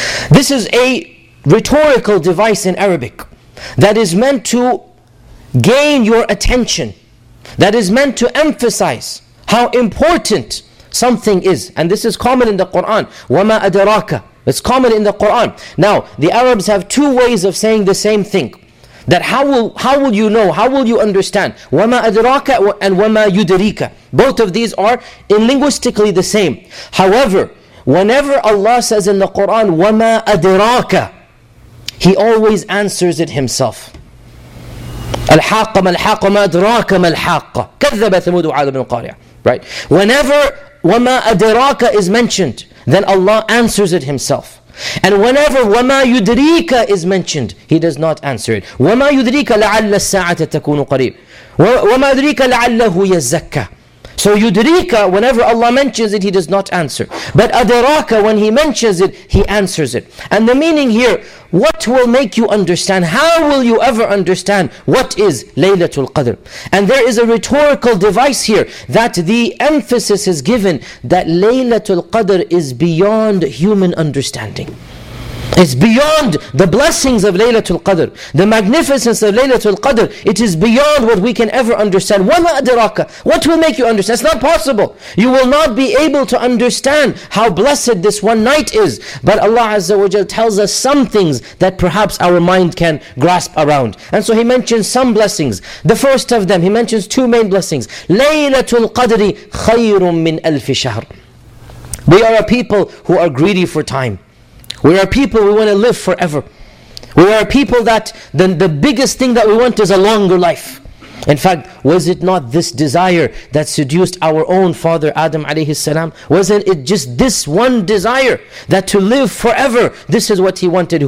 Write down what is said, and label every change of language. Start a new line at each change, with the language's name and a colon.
English: This is a rhetorical device in Arabic that is meant to gain your attention, that is meant to emphasize how important something is. And this is common in the Qur'an.
Arabic: وَمَا أَدْرَاكَ.
English: It's common in the Qur'an. Now, the Arabs have two ways of saying the same thing. That how will you know, how will you understand?
Arabic: وَمَا أَدْرَاكَ
English: and
Arabic: وَمَا يُدْرِيكَ.
English: Both of these are in linguistically the same. However, whenever Allah says in the Qur'an,
Arabic: وَمَا أَدْرَاكَ,
English: He always answers it Himself.
Arabic: الحاقة ما الحاقة ما أدراك ما الحاقة كذب ثمود وعاد بن القارعة.
English: Right, whenever
Arabic: وما أدراك
English: is mentioned, then Allah answers it Himself. And whenever
Arabic: وما يدريك
English: is mentioned, He does not answer it.
Arabic: وما يدريك لعل الساعة تكون قريب وما يدريك لعله يزكى.
English: So yudrika, whenever Allah mentions it, He does not answer. But adaraka, when He mentions it, He answers it. And the meaning here, what will make you understand? How will you ever understand what is Laylatul Qadr? And there is a rhetorical device here that the emphasis is given that Laylatul Qadr is beyond human understanding. It's beyond the blessings of Laylatul Qadr, the magnificence of Laylatul Qadr. It is beyond what we can ever understand.
Arabic: وَمَا أَدْرَاكَ.
English: What will make you understand? It's not possible. You will not be able to understand how blessed this one night is. But Allah Azza wa Jalla tells us some things that perhaps our mind can grasp around. And so He mentions some blessings. The first of them, He mentions two main blessings.
Arabic: Laylatul Qadri خَيْرٌ مِّنْ أَلْفِ شَهْرٍ.
English: We are a people who are greedy for time. We are people, we want to live forever. We are people that the biggest thing that we want is a longer life. In fact, was it not this desire that seduced our own father Adam alayhi salam? Wasn't it just this one desire that to live forever, this is what he wanted?